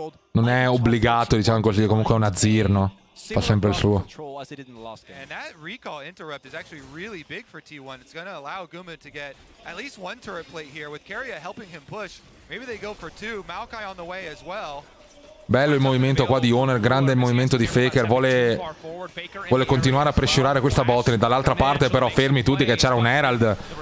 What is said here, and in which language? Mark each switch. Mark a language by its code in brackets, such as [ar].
[it] Non è obbligato, diciamo così, comunque è un Azir, no? Fa sempre il suo. [en] And that recall interrupt is actually really big for T1. It's gonna allow Guma to get at least one turret plate here with Karia helping him push. Maybe they go for two. Maokai on the way as well. [it] Bello il movimento qua di Owner, grande il movimento di Faker, vuole continuare a pressurare questa botte. Dall'altra parte però fermi tutti che c'era un Herald.